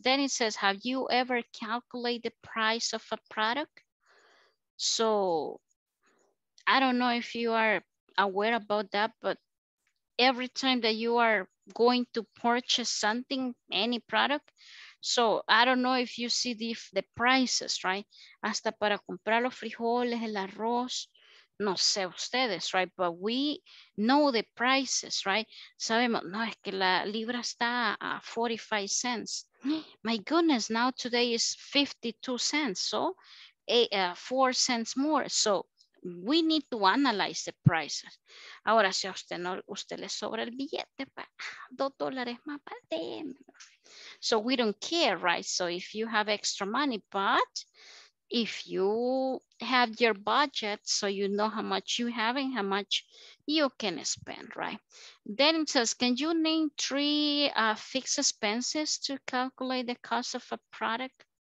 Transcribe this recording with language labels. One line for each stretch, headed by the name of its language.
English: Then it says, have you ever calculated the price of a product? So I don't know if you are aware about that, but every time that you are going to purchase something, any product, so I don't know if you see the prices, right?
Spanish: Hasta para comprar los frijoles, el arroz, no sé ustedes, right?
English: But we know the prices, right?
Spanish: Sabemos, no, es que la libra está a 45 cents.
English: My goodness, now today is 52 cents, so 4 cents more. So we need to analyze the prices.
Spanish: Ahora, si a usted no, usted le sobra el billete, $2 más para them.
English: So we don't care, right? So if you have extra money, but if you have your budget, so you know how much you have and how much you can spend, right? Then it says, can you name three fixed expenses to calculate the cost of a product?